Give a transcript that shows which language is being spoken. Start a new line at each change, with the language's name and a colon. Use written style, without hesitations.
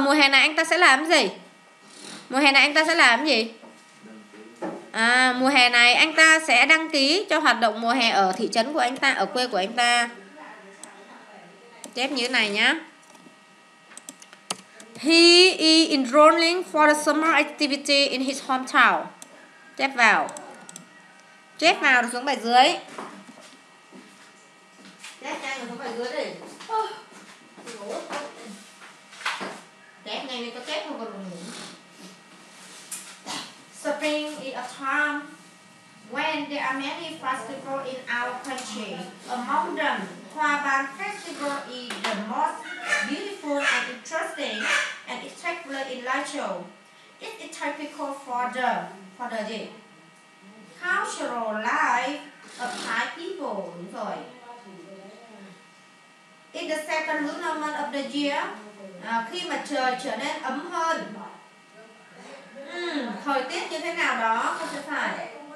Vietnamese: Mùa hè này anh ta sẽ làm gì? Mùa hè này anh ta sẽ làm gì? À, mùa hè này anh ta sẽ đăng ký cho hoạt động mùa hè ở thị trấn của anh ta, ở quê của anh ta. Chép như thế này nhá.
English: He is enrolling for the summer activity in his hometown.
Vietnamese: Chép vào. Chép vào xuống bài dưới. Chép ngay xuống bài dưới đi. Chép ngay đi, có chép không còn ngủ.
English: Spring is a time when there are many festivals in our country. Among them, Hoa Ban Festival is the most beautiful and interesting and it takes place in Lai Châu. It is typical for the day. Cultural life of Thai people. It's the second lunar month of the year.
Vietnamese: Khi mà trời trở nên ấm hơn. Thời tiết như thế nào đó không sẽ phải.